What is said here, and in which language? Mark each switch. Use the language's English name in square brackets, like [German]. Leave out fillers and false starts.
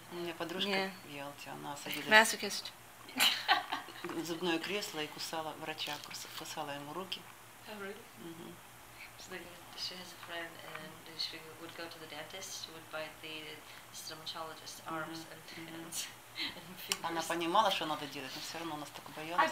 [Russian] У меня подружка в Ялте, она садилась. [English] Masochist. [Russian] В зубное кресло и кусала врача, кусала ему руки. [English] Oh really? Mm-hmm. She has a friend, and she would go to the dentist. She would bite the stomatologist arms and hands. [Russian] Она понимала, что надо делать, но все равно она так боялась.